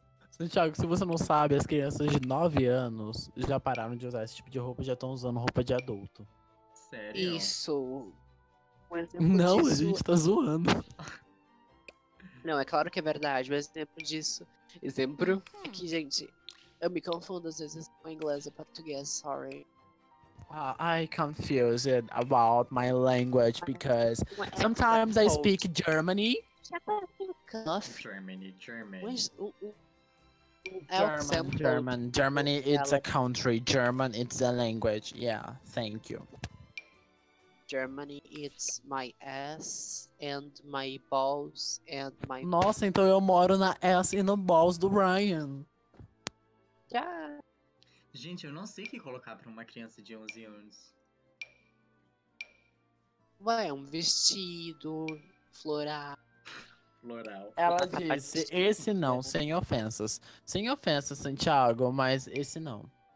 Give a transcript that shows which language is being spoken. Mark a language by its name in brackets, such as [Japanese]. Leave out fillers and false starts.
[Portuguese] Santiago, se você não sabe, as crianças de 9 anos já pararam de usar esse tipo de roupa e já estão usando roupa de adulto. Sério? Isso. Não, a gente tá zoando. Não, é claro que é verdade, mas exemplo disso. Exemplo é que, gente, eu me confundo às vezes com inglês e português, sorry. [English] I confuse it about my language because sometimes I speak Germany. Germany, it's a country. German, it's a language. Yeah, thank you. Germany, it's my ass and my balls and my. [Portuguese] Nossa, então eu moro na ass e no balls do Ryan. [English] Yeah. [Portuguese] Gente, eu não sei o que colocar pra uma criança de 11 anos. Ué, um vestido floral. Ela disse, esse não, sem ofensas. Sem ofensas, Santiago, mas esse não.